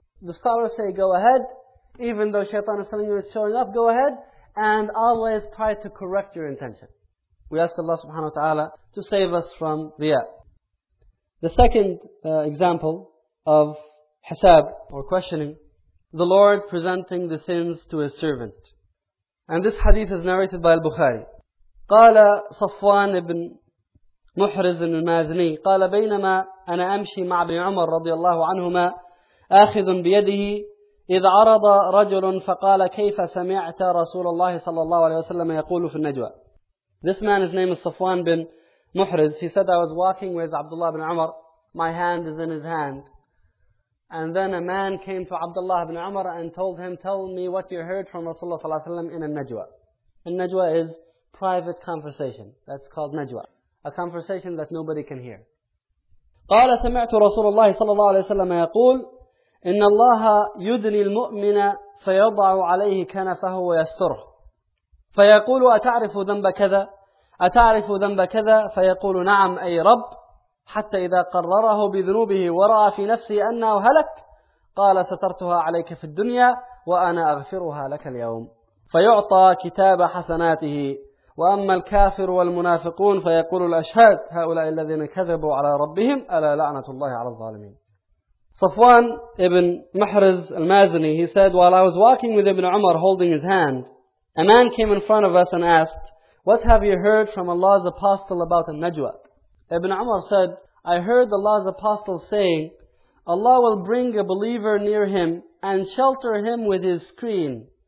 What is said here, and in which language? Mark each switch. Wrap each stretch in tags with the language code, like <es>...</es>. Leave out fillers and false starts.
<en>The scholars say, go ahead, even though Shaitan is telling you it's showing up, go ahead, and always try to correct your intention. We ask Allah subhanahu wa ta'ala to save us from riya. The second example of hisab, or questioning, the Lord presenting the sins to His servant. And this hadith is narrated by Al-Bukhari.</en> <ar>قَالَ صَفْوَانِ ابْنِ محرز المازني قال بينما أنا أمشي مع ابن عمر رضي الله عنهما آخذ بيده إذ عرض رجل فقال كيف سمعت رسول الله صلى الله عليه وسلم يقول في النجوى.</ar> <en>This man, his name is Safwan bin Muhriz. He said, I was walking with Abdullah bin Umar my hand is in his hand. And then a man came to Abdullah ibn Umar and told him, tell me what you heard from Rasulullah sallallahu alayhi wa sallam in a najwa. A najwa is private conversation. That's called najwa. A conversation that nobody can hear.</en> <ar>قال سمعت رسول الله صلى الله عليه وسلم يقول إن الله يدني المؤمن فيضع عليه كنفه ويستره فيقول أتعرف ذنب كذا أتعرف ذنب كذا فيقول نعم أي رب حتى إذا قرره بذنوبه ورأى في نفسه أنه هلك قال سترتها عليك في الدنيا وأنا أغفرها لك اليوم فيعطى كتاب حسناته وأما الكافر والمنافقون فيقول الأشهاد هؤلاء الذين كذبوا على ربهم ألا لعنة الله على الظالمين.</ar> <en>Safwan ibn Muhriz al-Mazni, he said, while I was walking with Ibn Umar holding his hand, a man came in front of us and asked, what have you heard from Allah's apostle about the Najwa? Ibn Umar said, I heard Allah's apostle saying, Allah will bring a believer near him and shelter him with his screen.</en>